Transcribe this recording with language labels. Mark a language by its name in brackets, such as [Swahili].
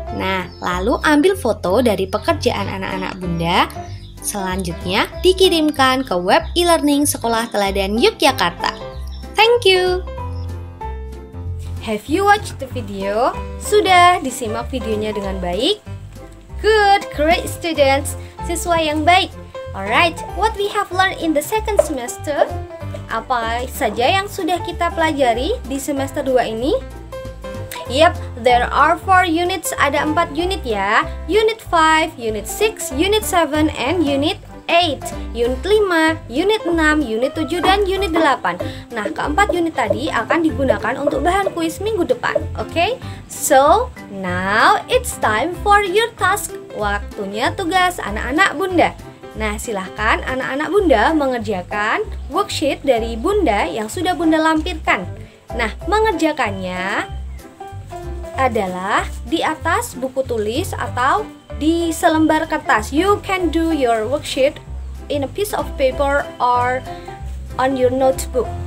[Indonesian] Nah, lalu ambil foto dari pekerjaan anak-anak bunda. Selanjutnya, dikirimkan ke web e-learning Sekolah Teladan Yogyakarta. [English] Thank you! Have you watched the video? [Indonesian] Sudah disimak videonya dengan baik? [English] Good, great students! [Indonesian] Siswa yang baik! [English] Alright, what we have learned in the second semester? [Indonesian] Apa saja yang sudah kita pelajari di semester 2 ini? [English] Yep, there are 4 units, [Indonesian] ada 4 unit ya. [English] Unit 5, unit 6, unit 7, and unit 8. [Indonesian] Unit 5, unit 6, unit 7, dan unit 8. Nah, keempat unit tadi akan digunakan untuk bahan kuis minggu depan, oke? [English] So, now it's time for your task. [Indonesian] Waktunya tugas anak-anak bunda. Nah, silahkan anak-anak bunda mengerjakan worksheet dari bunda yang sudah bunda lampirkan. Nah, mengerjakannya adalah di atas buku tulis atau di selembar kertas. [English] You can do your worksheet in a piece of paper or on your notebook.